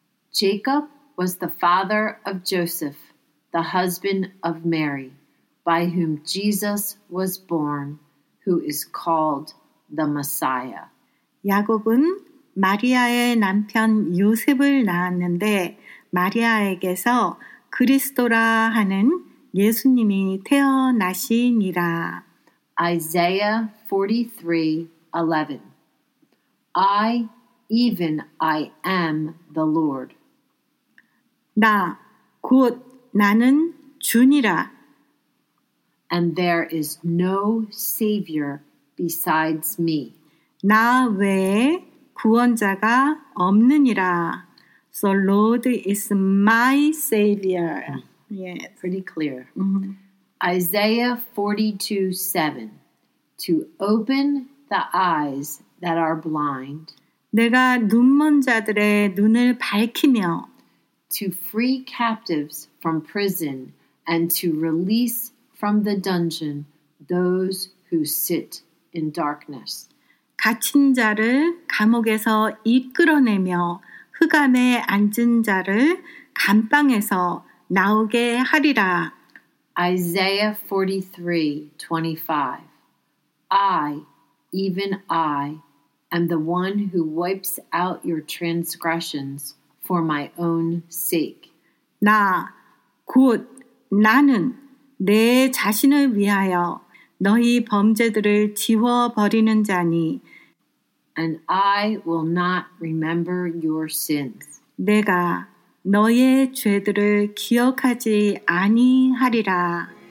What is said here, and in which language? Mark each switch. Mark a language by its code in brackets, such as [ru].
[en] Jacob was the father of Joseph, the husband of Mary, by whom Jesus was born, who is called the Messiah. [ko] 야곱은 마리아의 남편 요셉을 낳았는데 마리아에게서 그리스도라 하는 예수님이 태어나시니라. [en] Isaiah 43:11. I, even I am the Lord. [ko] 나, 곧 나는 주니라. [en] And there is no savior besides me. [ko] 나 외에 구원자가 없느니라. [en] So Lord is my savior. Yeah, pretty clear. Mm-hmm. Isaiah 42:7. To open the eyes that are blind. [ko] 내가 눈먼 자들의 눈을 밝히며. [en] To free captives from prison and to release from the dungeon those who sit in darkness. [ko] 갇힌 자를 감옥에서 이끌어내며 흑암에 앉은 자를 감방에서 나오게 하리라. [en] Isaiah 43:25. I, even I, am the one who wipes out your transgressions for my own sake. [ko] 나, 곧 나는 내 자신을 위하여 너희 범죄들을 지워버리는 자니. [en] And I will not remember your sins. [ko] 내가 너의 죄들을 기억하지 아니하리라.